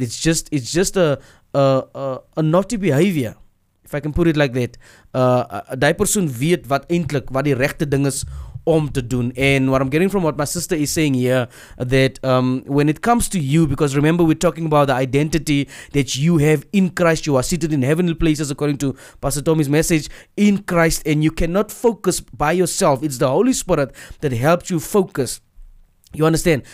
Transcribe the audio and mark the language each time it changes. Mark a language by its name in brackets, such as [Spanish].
[English] It's just a naughty behavior, if I can put it like that. [Afrikaans] Die persoon weet wat eintlik wat die regte ding is om te doen. [English] And what I'm getting from what my sister is saying here, that when it comes to you, because remember, we're talking about the identity that you have in Christ. You are seated in heavenly places, according to Pastor Tommy's message, in Christ, and you cannot focus by yourself. It's the Holy Spirit that helps you focus. You understand?